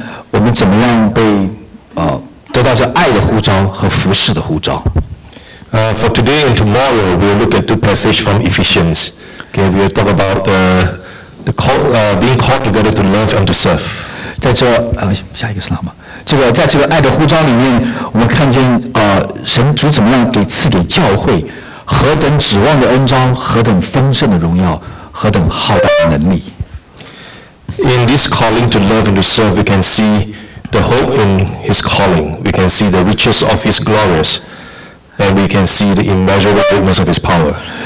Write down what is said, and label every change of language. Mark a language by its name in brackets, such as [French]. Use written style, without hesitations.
[Chinese] 我们怎么样被得到这爱的呼召和服事的呼召 [English] ？For today and tomorrow, we'll look at two passages from Ephesians. Okay, we'll talk about the call, being called together to love and to serve. [Chinese] 在这下一个是哪吗？这个在这个爱的呼召里面，我们看见神主怎么样给赐给教会何等指望的恩召，何等丰盛的荣耀，何等浩大的能力。 [English] In this calling to love and to serve, we can see the hope in His calling. We can see the riches of His glories, and we can see the immeasurable greatness of His power.